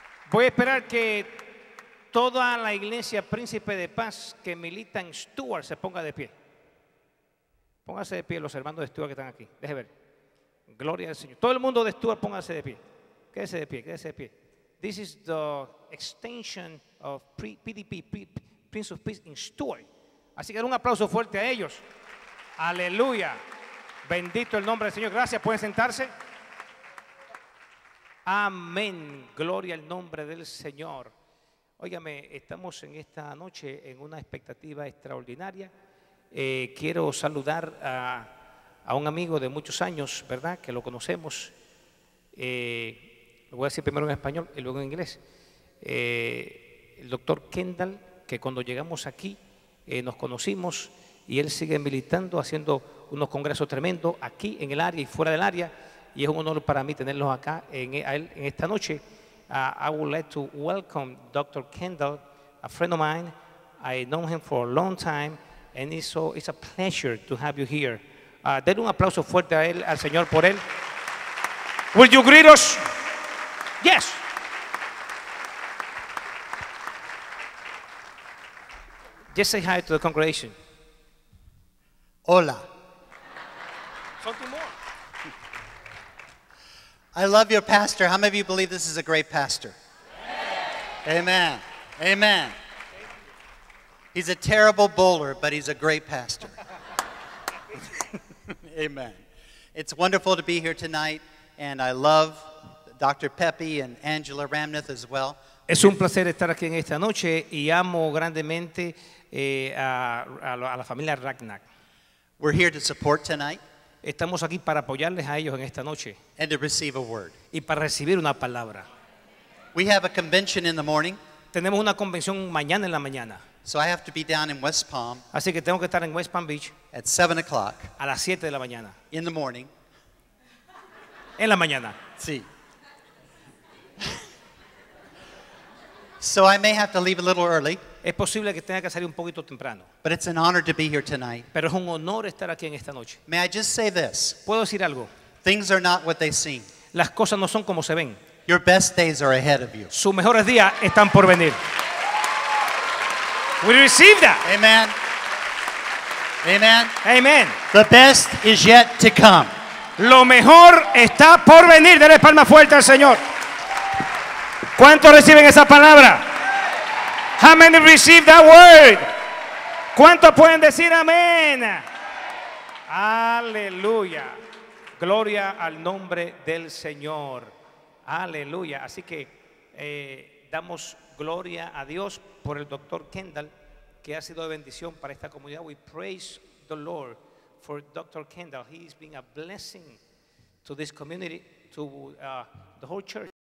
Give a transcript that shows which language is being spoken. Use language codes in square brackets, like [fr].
[es] Voy a esperar que toda la iglesia Príncipe de Paz que milita en Stuart se ponga de pie. Póngase de pie los hermanos de Stuart que están aquí. Deje ver. Gloria al Señor. Todo el mundo de Stuart, póngase de pie. Quédese de pie, quédese de pie. [en] This is the extension of PDP, Prince of Peace in Stuart. [es] Así que un aplauso fuerte a ellos. Aleluya. Bendito el nombre del Señor. Gracias, pueden sentarse. Amén. Gloria al nombre del Señor. Óigame, estamos en esta noche en una expectativa extraordinaria. Quiero saludar a un amigo de muchos años, ¿verdad?, que lo conocemos. Lo voy a decir primero en español y luego en inglés. El doctor Kendall, que cuando llegamos aquí nos conocimos, y él sigue militando, haciendo unos congresos tremendos aquí en el área y fuera del área, y es un honor para mí tenerlos acá en esta noche. [en] I would like to welcome Dr. Kendall, a friend of mine. I know him for a long time, and it's a pleasure to have you here. [es] Denle un aplauso fuerte a él, al Señor, por él. [en] Will you greet us? Yes. Just say hi to the congregation. [es] Hola. [en] Something more. I love your pastor. How many of you believe this is a great pastor? Yeah. Amen. Amen. He's a terrible bowler, but he's a great pastor. Amen. It's wonderful to be here tonight, and I love Dr. Pepe and Angela Ramnath as well. [es] Es un placer estar aquí en esta noche y amo grandemente a la familia Ragnar. [en] We're here to support tonight. [es] Estamos aquí para apoyarles a ellos en esta noche. [en] And to receive a word. [es] Y para recibir una palabra. [en] We have a convention in the morning. [es] Tenemos una convención mañana en la mañana. [en] So I have to be down in West Palm. [es] Así que tengo que estar en West Palm Beach. [en] At 7 o'clock. [es] A las 7 de la mañana. [en] In the morning. [es] En la mañana. Sí. [en] So I may have to leave a little early. [es] Es posible que tenga que salir un poquito temprano. [en] But it's an honor to be here tonight. [es] Pero es un honor estar aquí en esta noche. [en] May I just say this? [es] ¿Puedo decir algo? [en] Things are not what they seem. [es] Las cosas no son como se ven. [en] Your best days are ahead of you. [es] Sus mejores días están por venir. [en] We receive that. Amen. Amen. Amen. The best is yet to come. [es] Lo mejor está por venir. Dale palma fuerte al Señor. ¿Cuántos reciben esa palabra? [en] How many receive that word? [es] ¿Cuántos pueden decir amén? Aleluya. Gloria al nombre del Señor. Aleluya. Así que damos gloria a Dios por el Dr. Kendall, que ha sido de bendición para esta comunidad. [en] We praise the Lord for Dr. Kendall. He's been a blessing to this community, to the whole church.